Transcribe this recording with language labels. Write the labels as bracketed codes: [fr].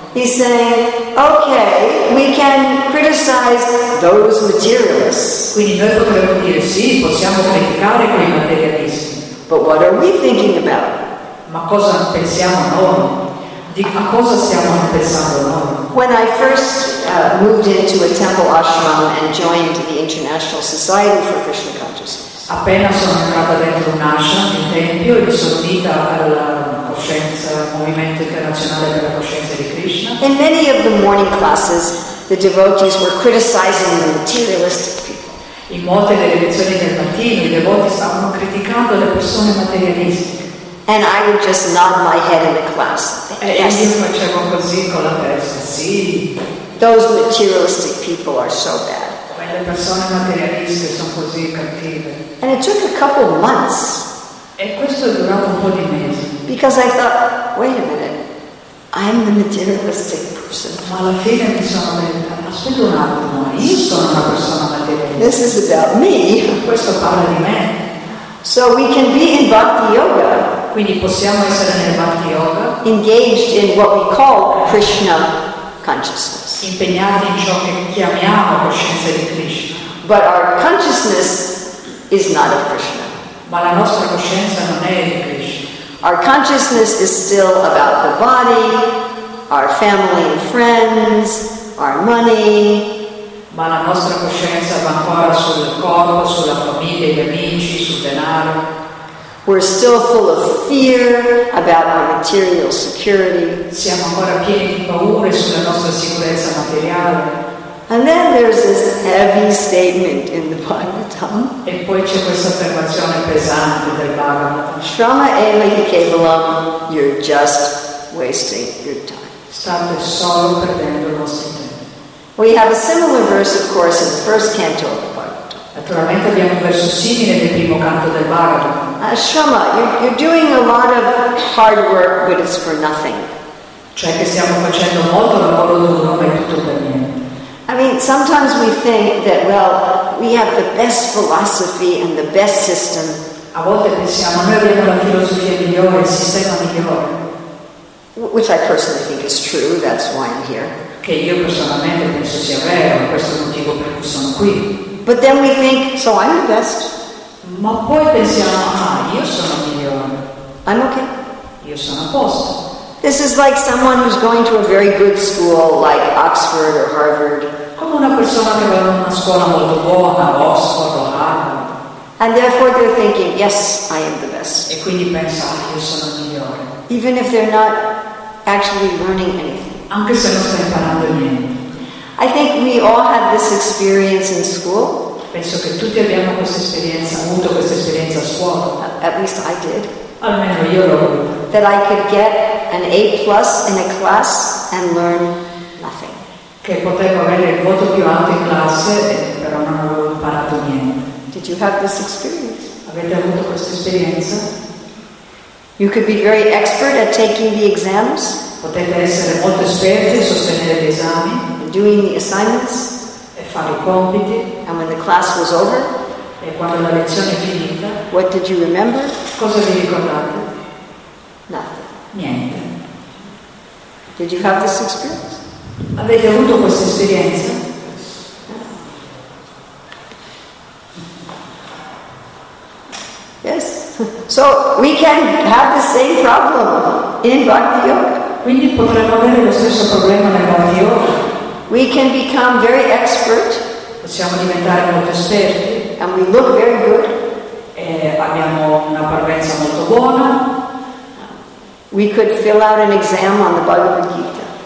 [en] He's saying, okay, we can criticize those materialists. [it] Quindi noi potremmo dire sì, possiamo criticare quei materialisti. [en] But what are we thinking about? [it] Ma cosa pensiamo noi? Di a cosa stiamo pensando noi? [en] When I first moved into a temple ashram and joined the International Society for Krishna Consciousness. [it] Appena sono entrata dentro un ashram, in tempio, e sono unita al movimento internazionale della coscienza di Krishna. [en] In many of the morning classes, the devotees were criticizing the materialist. [it] In molte delle lezioni del mattino, i devoti stavano criticando le persone materialistiche. [en] And I would just nod my head in the class. Yes. [it] E io facevo così con la testa, sì. [en] Those materialistic people are so bad. [it] Quelle persone materialistiche sono così cattive. [en] And it took a couple of months. [it] E questo è durato un po' di mesi. [en] Because I thought, wait a minute, I'm the materialistic person. [it] Ma alla fine mi sono detta, aspetta un attimo, io sono una persona materialistica. [en] This is about me. [it] Questo parla di me. [en] So we can be in bhakti yoga. [it] Quindi possiamo essere nel bhakti yoga. [en] Engaged in what we call Krishna consciousness. [it] Impegnati in ciò che chiamiamo coscienza di Krishna. [en] But our consciousness is not of Krishna. [it] Ma la nostra coscienza non è di Krishna. [en] Our consciousness is still about the body, our family and friends, our money. [it] Ma la nostra coscienza va ancora sul corpo, sulla famiglia, gli amici, sul denaro. [en] We're still full of fear about our material security. [it] Siamo ancora pieni di paure sulla nostra sicurezza materiale. [en] And then there's this heavy statement in the Bhagavatam. [it] E poi c'è questa affermazione pesante del Bhagavatam. [sa] Shrama eva hi kevalam, [en] you're just wasting your time. [it] State solo perdendo il nostro tempo. [en] We have a similar verse, of course, in the first canto of the Bhagavatam. [it] Naturalmente abbiamo un verso simile nel primo canto del Bhagavatam. [en] Shrama, you're doing a lot of hard work, but it's for nothing. [it] cioè che stiamo facendo molto lavoro duro per tutto per niente. [en] I mean, sometimes we think that, well, we have the best philosophy and the best system. [it] A volte pensiamo, noi abbiamo la filosofia migliore, il sistema migliore. [en] Which I personally think is true, that's why I'm here. [it] Che io personalmente penso sia vero, questo è il motivo per cui sono qui. [en] But then we think, so I'm the best. [it] Ma poi pensiamo, ah, io sono migliore. [en] I'm okay. [it] Io sono a posto. [en] This is like someone who's going to a very good school, like Oxford or Harvard. [it] Come una persona che va a una scuola molto buona, Oxford o Harvard. [en] And therefore they're thinking, yes, I am the best. [it] E quindi pensa, ah, io sono migliore. [en] Even if they're not actually learning anything. [it] Anche se non stai imparando niente. [en] I think we all had this experience in school. [it] Penso che tutti abbiamo questa esperienza, avuto questa esperienza a scuola. [en] At least I did. [it] Almeno io l'ho. [en] That I could get an A plus in a class and learn nothing. [it] Che potevo avere il voto più alto in classe, però non avevo imparato niente. [en] Did you have this experience? [it] Avete avuto questa esperienza? [en] You could be very expert at taking the exams. [it] Potete essere molto esperti a sostenere gli esami. [en] Doing the assignments. [it] E fare i compiti. [en] And when the class was over. [it] E quando la lezione è finita. [en] What did you remember? [it] Cosa vi ricordate? [en] Nothing. [it] Niente. [en] Did you have this experience? [it] Avete avuto questa esperienza? [en] Yes. So we can have the same problem in Bhakti Yoga. [it] Quindi potremmo avere lo stesso problema nel Bhakti Yoga. [en] We can become very expert. [it] Possiamo diventare molto esperti. [en] And we look very good. [it] E abbiamo una parvenza molto buona. [en] We could fill out an exam on the Bhagavad Gita.